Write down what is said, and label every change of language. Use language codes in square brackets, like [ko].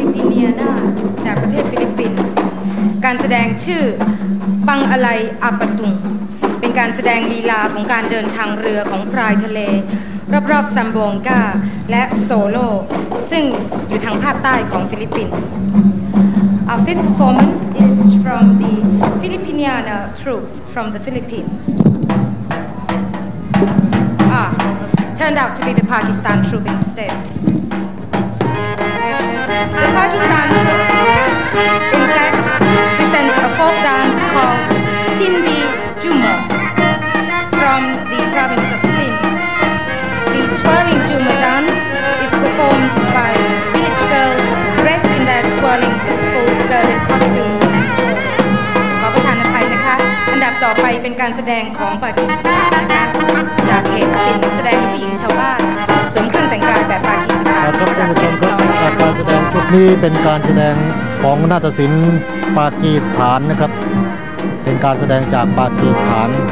[th] ฟิลิปปินเนียนาจากประเทศฟิลิปปินส์การแสดงชื่อปังอะไลอาปตุงเป็นการแสดงลีลาของการเดินทางเรือของพรายทะเลรอบๆซัมโบงกาและโซโลซึ่งอยู่ทางภาคใต้ของฟิลิปปินส์ [en] Our fifth performance is from the Filipiniana troupe from the PhilippinesTurned out to be the Pakistan troop instead. The Pakistan troop, in fact, presents a folk dance called Sindhi Jhumur from the province of Sindh. The twirling Jhumur dance is performed by village girls dressed in their swirling full-skirted costumes and jhumur. [th] ขอประทานอภัยนะคะอันดับต่อไปเป็นการแสดงของปากีสถานนะคะจากเขตสินแสดงผู้หญิงชาวบ้านสวมเครื่องแต่งกายแบบปากีสถาน ครับท่านผู้ชมครับการแสดงทุกนี่เป็นการแสดงของนาฏศิลป์ปากีสถานนะครับเป็นการแสดงจากปากีสถาน